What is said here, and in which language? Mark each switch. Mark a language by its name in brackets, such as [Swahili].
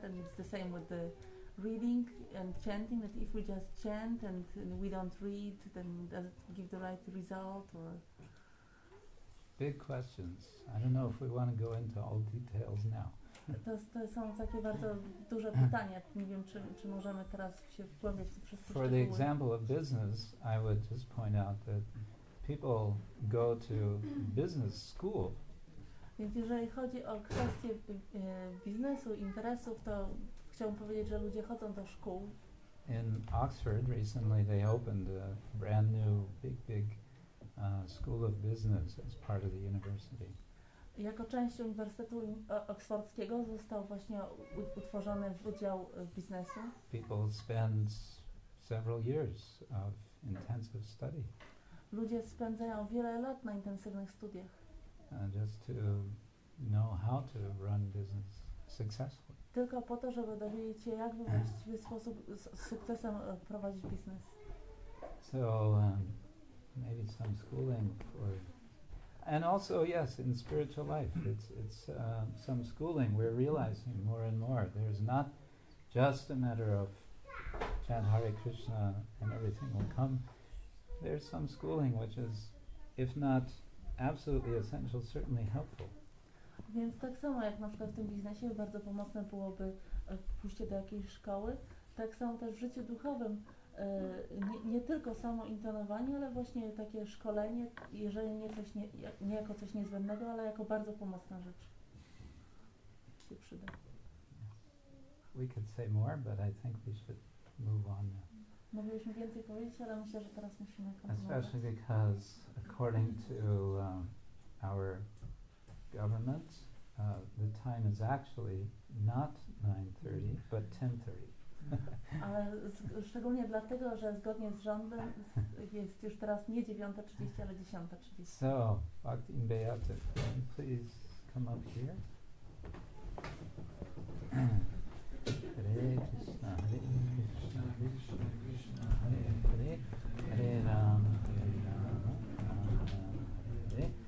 [English] And it's the same with the reading and chanting, that if we just chant and we don't read, then does it give the right result? Or big questions. I don't know if we want to go into all details now. [Polish] To są takie bardzo duże pytania. Nie wiem, czy możemy teraz się wgłębiać w te wszystkie szczegóły. [English] For the example of business, I would just point out that people go to business school. [Polish] Więc jeżeli chodzi o kwestie biznesu, interesów, to chciałbym powiedzieć, że ludzie chodzą do szkół. [English] In Oxford recently they opened a brand new big school of business as part of the university. [Polish] Jako część Uniwersytetu Oksfordzkiego został właśnie utworzony wydział biznesu. [English] People spend several years of intensive study. [Polish] Ludzie spędzają wiele lat na intensywnych studiach. [English] Just to know how to run business successfully. [Polish] Tylko po to, żeby dowiedzieć się, jak w właściwy sposób z sukcesem prowadzić biznes. [English] So maybe some schooling for. And also, yes, in spiritual life, it's some schooling. We're realizing more and more there's not just a matter of chant Hare Krishna and everything will come. There's some schooling which is, if not absolutely essential, certainly helpful. [Polish] Więc tak samo jak na przykład w tym biznesie bardzo pomocne byłoby pójście do jakiejś szkoły, tak samo też w życiu duchowym. Nie tylko samo intonowanie, ale właśnie takie szkolenie, jeżeli nie coś nie jako coś niezbędnego, ale jako bardzo pomocna rzecz. Się przyda. [English] We could say more, but I think we should move on. [Polish] Moglibyśmy więcej powiedzieć, ale myślę, że teraz musimy kontynuować. [English] Especially because according to our government, the time is actually not 9:30, but 10:30. [Polish] Ale szczególnie dlatego, że zgodnie z rządem jest już teraz nie 9:30, ale 10:30. [English] So, Bhakti in Beate, can you please come up here? [Sanskrit] Hare Krishna, Hare Krishna, Krishna Krishna, Hare Hare, Hare Rama, Hare Rama, Rama Rama, Hare Hare.